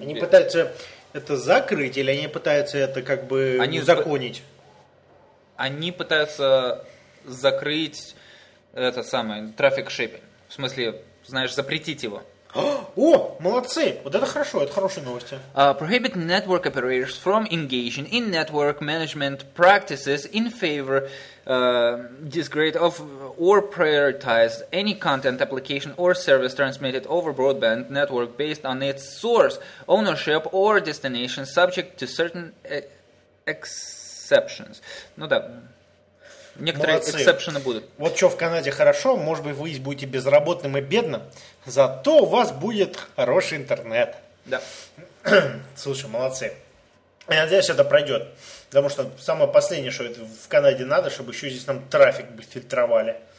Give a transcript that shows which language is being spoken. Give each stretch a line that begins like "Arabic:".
Russian: Они пытаются это закрыть или они пытаются это как бы они узаконить? они пытаются закрыть этот самый трафик шейпинг. В смысле, знаешь, запретить его. О, молодцы! Вот это хорошие новости.
English: Prohibit network operators from engaging in network management practices in favor disregard of or prioritize any content, application or service transmitted over broadband network based on its source, ownership or destination subject to certain exceptions.
Russian: Ну да. Некоторые эксепшены будут. Вот что в Канаде хорошо, может быть, вы будете безработным и бедным, зато у вас будет хороший интернет. Да. Слушай, молодцы. Я надеюсь, это пройдет. Потому что самое последнее, что в Канаде надо, чтобы еще здесь нам трафик фильтровали.